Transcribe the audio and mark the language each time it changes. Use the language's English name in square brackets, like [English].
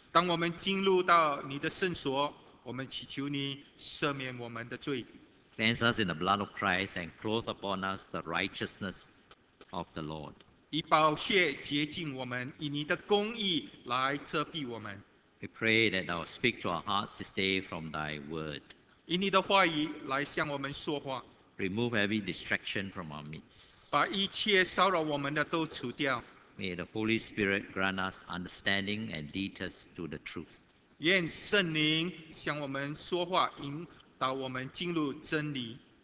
[Chinese] 当我们进入到你的圣所，我们祈求你赦免我们的罪。 [English] Cleanse us in the blood of Christ and clothe upon us the righteousness of the Lord. [Chinese] 以宝血洁净我们，以你的公义来遮蔽我们。 [English] We pray that Thou speak to our hearts this day from Thy word. [Chinese] 以你的话语来向我们说话。 [English] Remove every distraction from our midst. [Chinese] 把一切骚扰我们的都除掉。 [English] May the Holy Spirit grant us understanding and lead us to the truth. [Chinese] 愿圣灵向我们说话，引 导我们进入真理。